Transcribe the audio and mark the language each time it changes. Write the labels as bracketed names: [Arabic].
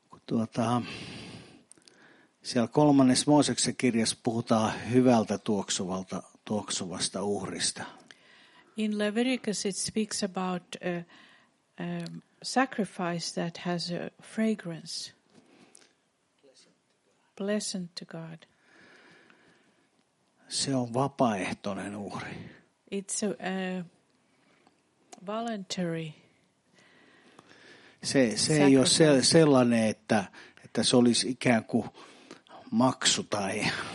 [Finnish] Ja siellä kolmannes Mooseksen kirjassa puhutaan hyvältä tuoksuvasta uhrista. [English] In Leviticus it speaks about a sacrifice that has a fragrance. Pleasant to God. [Finnish] Se on vapaaehtoinen uhri. [English] It's a voluntary. [Finnish] Se ei ole sellainen, että se olisi ikään kuin maksu tai